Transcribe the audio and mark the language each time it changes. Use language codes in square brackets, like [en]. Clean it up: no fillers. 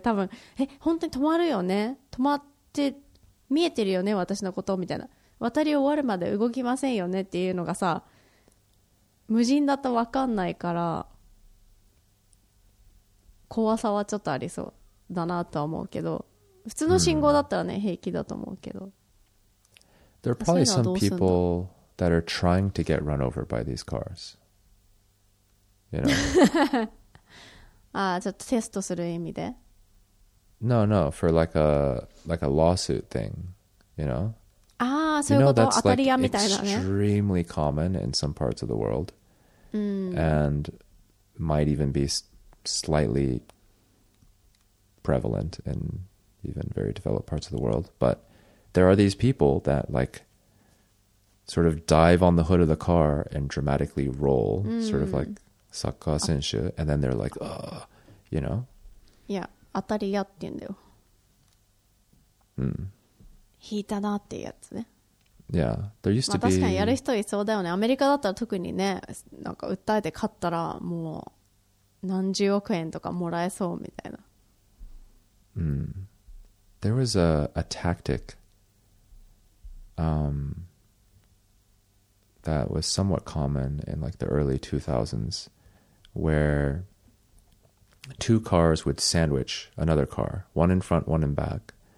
[ja] 多分本当に止まるよね、止まって見えてるよね私のことみたいな、渡り終わるまで動きませんよねっていうのがさ、無人だと分かんないから怖さはちょっとありそうだなとは思うけど、普通の信号だったらね、うん、平気だと思うけど。 [en] There are probably some people that are trying to get run over by these cars, you know. [ja] ああ、ちょっとテストする意味で。 [en] No, no, for like a lawsuit thing, you know. Ah, so you know, that's like extremely common in some parts of the world、 mm. and might even be slightly prevalent in even very developed parts of the world. But there are these people that like sort of dive on the hood of the car and dramatically roll、mm. sort of like [ja] sakka senshu, [en] and then they're like, oh, you know? Yeah, [ja] atariya って言うんだよ。 Hmm. 引いたなっていうやつね。 [en] Yeah, there used to be... [ja] 確かにやる人いそうだよね。アメリカだったら特にね、なんか訴えて勝ったらもう何十億円とかもらえそうみたいな。 Mm. [en] There was a tactic that was somewhat common in like the early 2000s where two cars would sandwich another car, one in front, one in back.